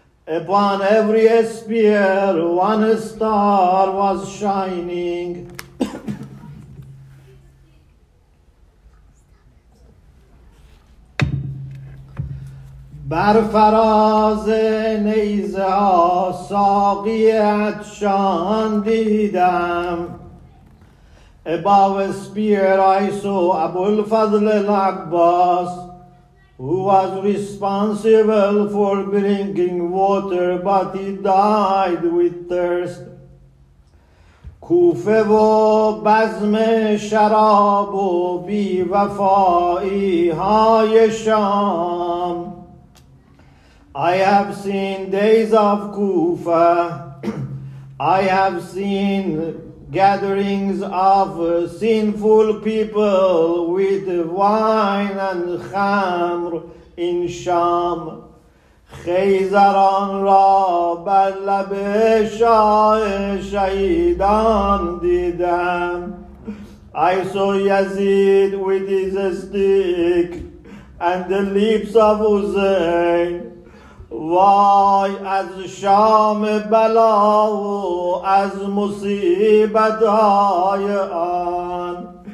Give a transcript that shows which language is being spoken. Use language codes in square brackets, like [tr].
[en] Upon every spear, one star was shining. [fa] بر فراز نیزه ها ساقی عطشان دیدم. [en] Above a spear I saw Abul Fadl al-Abbas, who was responsible for bringing water, but he died with thirst. [fa] کوفه و بزم شراب و بیوفائی های شام. [en] I have seen days of Kufa. I have seen gatherings of sinful people with wine and khamr in Sham. [fa] خیزران را بر لب شاه شهیدان دیدم. [en] I saw Yazid with his stick and the lips of Hussein. [fa] وای از شام بلا و از مصیبت های آن.